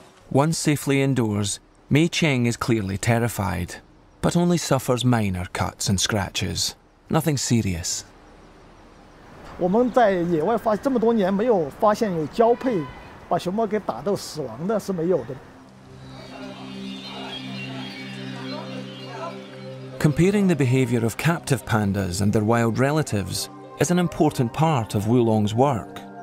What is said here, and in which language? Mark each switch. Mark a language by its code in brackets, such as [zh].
[en] Once safely indoors, Mei Cheng is clearly terrified, but only suffers minor cuts and scratches. Nothing serious. We've been in the wild for so many years, we haven't found a [zh] 把熊猫给打斗死亡的是没有的。 [en] Comparing the behavior of captive pandas and their wild relatives is an important part of Wulong's work.